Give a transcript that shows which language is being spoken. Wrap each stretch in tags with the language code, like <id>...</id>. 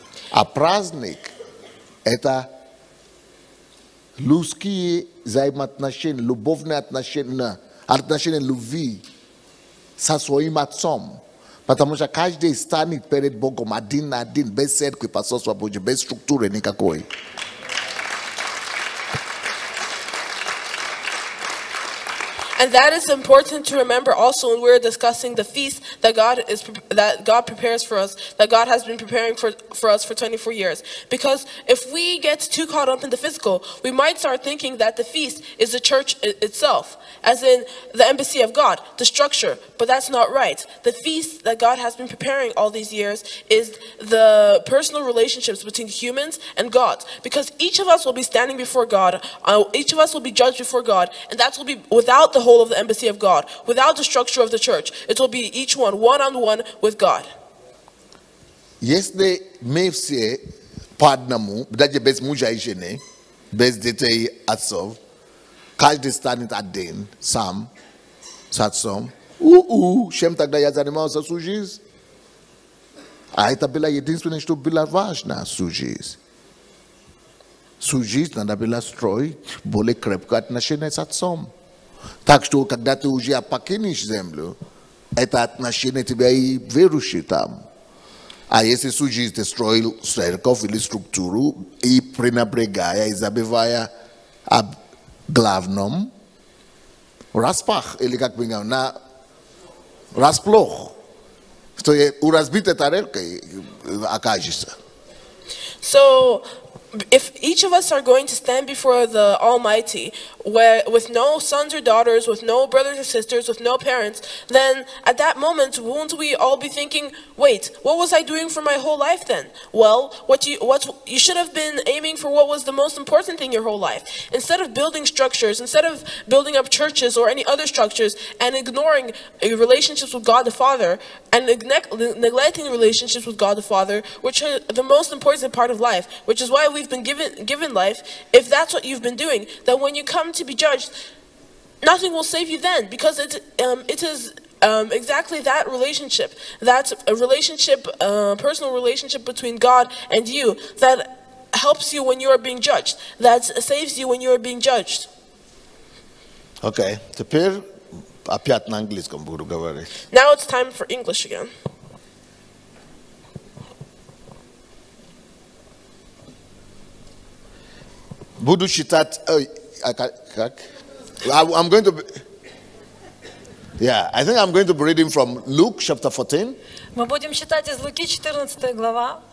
<ru>А праздник – это людские взаимоотношения, любовные отношения, отношения любви со своим отцом. Потому что каждый станет перед Богом один на один, без церкви, посольства Божьего, без структуры никакой.</ru> <en>And that is important to remember also when we're discussing the feast that God prepares for us, that God has been preparing for us for 24 years. Because if we get too caught up in the physical, we might start thinking that the feast is the church itself, as in the embassy of God, the structure, but that's not right. The feast that God has been preparing all these years is the personal relationships between humans and God. Because each of us will be standing before God, each of us will be judged before God, and that will be without the whole of the embassy of God, without the structure of the church. It will be each one-on-one with God.</en> <ru>Если мы все по одному, даже без мужа и жены, без детей отцов, каждый станет один, сам, с отцом, чем тогда я занимался всю жизнь? А это было единственное, что было важно всю жизнь. Всю жизнь надо было строить более крепкое отношение с отцом. Так что, когда ты уже покинешь землю, это отношение тебя и верующий там. А если всю жизнь ты строил церковь или структуру, и пренебрегая, и забывая об главном, распах, или как мы говорим, на расплох, то у разбитой тарелки окажешься.</ru> <en>So if each of us are going to stand before the Almighty with no sons or daughters, with no brothers or sisters, with no parents, then at that moment, won't we all be thinking, wait, what was I doing for my whole life then? Well, what you should have been aiming for what was the most important thing your whole life. Instead of building structures, instead of building up churches or any other structures, and ignoring relationships with God the Father, and neglecting relationships with God the Father, which are the most important part of life, which is why we've been given life, if that's what you've been doing, then when you come to be judged, nothing will save you then, because it is exactly that relationship, personal relationship between God and you, that helps you when you are being judged, that saves you when you are being judged.</en> <ru>Okay, теперь опять на английском буду говорить.</ru> <en>Now it's time for English again.</en> <ru>Буду читать.</ru> <en>I'm going to. Yeah, I think I'm going to be reading from Luke chapter 14.</en> <ru>Мы будем читать из Луки 14 глава.</ru>